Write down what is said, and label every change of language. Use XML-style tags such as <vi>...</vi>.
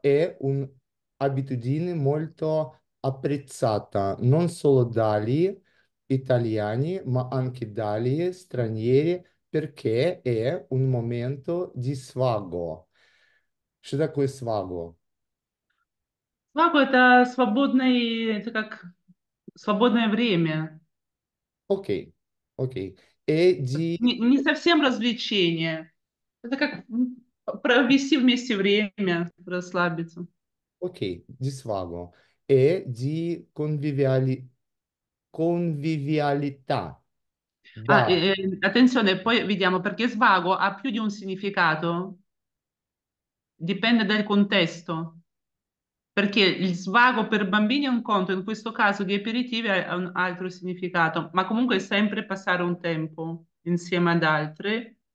<it>è un abitudine molto apprezzata non solo dagli italiani, ma anche dagli stranieri perché è un momento di svago. Che da quel svago?</it> <ru>Свагу это свободное, это как свободное время. Ок. И ди Не совсем развлечение. Это как провести вместе время, расслабиться.</ru> <it>Ok, di svago e di convivialità. Ah,</it> <ru>Da.</ru> <it>attenzione, poi vediamo perché svago ha più di un significato. Dipende dal contesto. Perché il svago per bambini è un conto, in questo caso di aperitivi ha un altro significato, ma comunque è sempre passare un tempo insieme ad altre.</it>